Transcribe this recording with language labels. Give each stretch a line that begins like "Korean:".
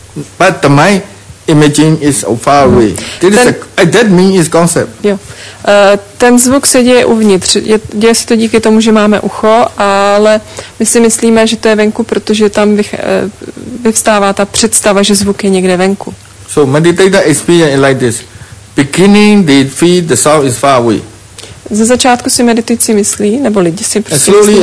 English: But the mind imaging is far away. That means it's concept.
Czech: Jo. Ten zvuk se děje uvnitř. Děje se to díky tomu, že máme ucho, ale my si myslíme, že to je venku, protože tam vyvstává ta představa, že zvuk je někde venku.
English: So meditator experience like this. Beginning they feel the sound is far away.
Czech: Ze začátku si meditující myslí, nebo lidi si prostě myslí, že